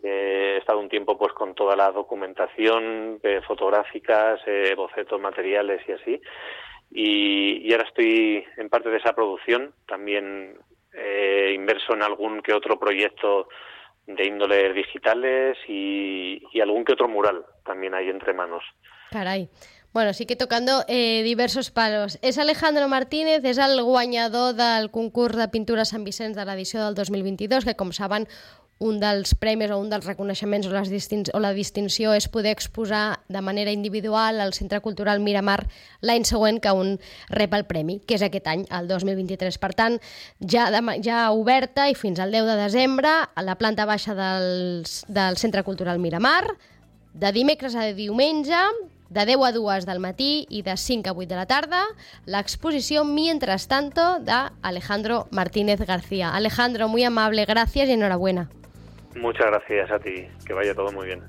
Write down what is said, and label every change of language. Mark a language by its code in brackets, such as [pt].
[es] He estado un tiempo pues con toda la documentación fotográficas, bocetos, materiales y así, y ahora estoy en parte de esa producción, también inmerso en algún que otro proyecto de índole digitales y algún que otro mural también hay entre manos. Caray. Bueno, sí que tocando diversos palos. [ca] És Alejandro Martínez, és el guanyador del concurs de pintura Sant Vicenç de l'edició del 2022, que com saben, un dels premis o un dels reconeixements o la distinció és poder exposar de manera individual al Centre Cultural Miramar l'any següent que un rep el premi, que és aquest any, el 2023. Per tant, ja oberta i fins al 10 de desembre a la planta baixa del Centre Cultural Miramar, de dimecres a diumenge, de 10 a 2 del matí i de 5 a 8 de la tarda, l'exposició Mientras Tanto d'Alejandro Martínez García. [es] Alejandro, muy amable, gracias y enhorabuena. Muchas gracias a ti, que vaya todo muy bien.